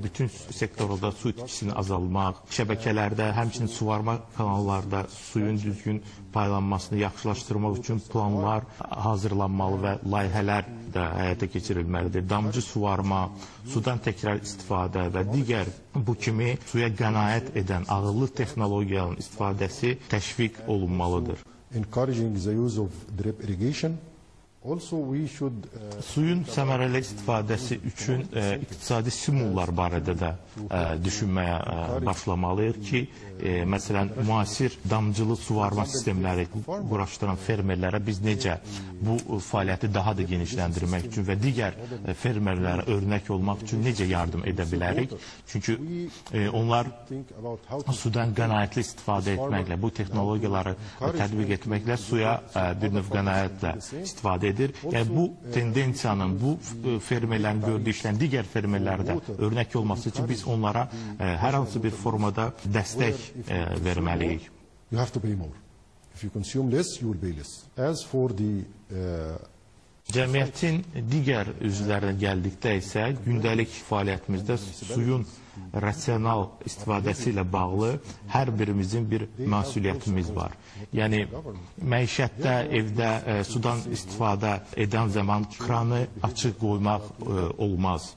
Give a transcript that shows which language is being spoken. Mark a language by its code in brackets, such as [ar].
[az] Bütün sektorda su itkisini azalmaq, şəbəkələrdə, həmçinin suvarma kanallarda suyun düzgün paylanmasını yaxşılaşdırmaq üçün planlar hazırlanmalı və layihələr də həyata keçirilməlidir. Damcı suvarma, sudan təkrar istifadə və digər bu kimi suya qənaət edən ağıllı texnologiyanın istifadəsi təşviq olunmalıdır. [en] Encouraging the use of drip irrigation. Also, we should. [az] Suyun səmərəli istifadəsi üçün iqtisadi stimullar barədə də düşünməyə başlamalıyıq ki, məsələn, müasir damcılı suvarma sistemləri quraşdıran fermerlərə biz necə bu fəaliyyəti daha da genişləndirmək üçün və digər fermerlərə örnək olmaq üçün necə yardım edə bilərik? Çünki onlar sudan qənaətli istifadə etməklə, bu texnologiyaları tətbiq etməklə suya bir növ qənaətlə istifadə edir. Yəni bu tendensiyanın, bu fermerlərin gördüyü işlərin digər fermerlərdə örnək olması üçün biz onlara hər hansı bir formada dəstək verməliyik. [en] You have to pay more. If you consume less, you will pay less. As for the [az] cəmiyyətin digər üzvlərindən gəldikdə isə gündəlik fəaliyyətimizdə suyun rasional istifadəsi ilə bağlı hər birimizin bir məsuliyyətimiz var. Yəni, məişətdə, evdə sudan istifadə edən zaman kranı açıq qoymaq olmaz.